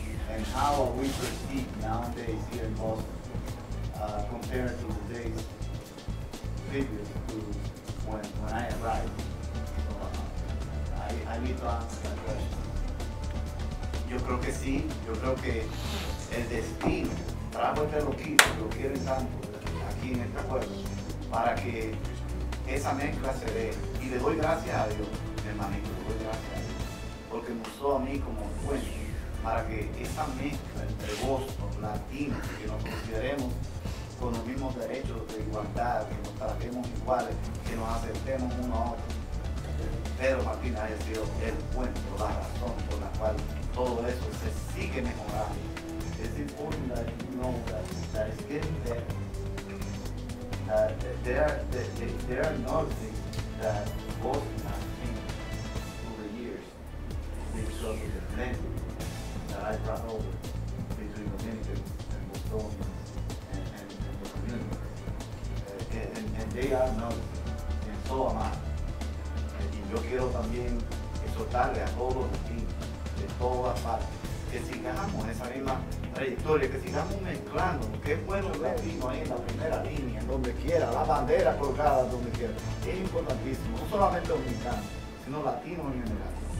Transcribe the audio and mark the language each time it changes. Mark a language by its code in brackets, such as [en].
[en] And how are we perceived nowadays here in Boston compared to the days previous to when I arrived? So I need to answer that question. [es] Yo creo que sí, yo creo que el destino trajo este loquito, lo quiere tanto aquí en este pueblo, para que esa mezcla se dé. Y le doy gracias a Dios, hermanito, le doy gracias a Dios, porque me usó a mí como fuente. Para que esa mezcla entre Boston, latinos, que nos consideremos con los mismos derechos de igualdad, que nos tratemos iguales, que nos aceptemos uno a otro. Pedro Martínez ha sido el puente, la razón por la cual todo eso se sigue mejorando. Es importante que [en] you know that it's getting better. There are nothing that Boston has changed over the years because of the blend. I brought over between Dominicans and Bostonians and the community. And they are noticing, and so am I. [es] Y yo quiero también exhortarle a todos los latinos de todas partes que sigamos esa misma trayectoria, que sigamos mezclando. Qué bueno que vino ahí en la primera línea, en donde quiera, la bandera colgada donde quiera. Es importantísimo, no solamente dominicanos, sino latinos en general.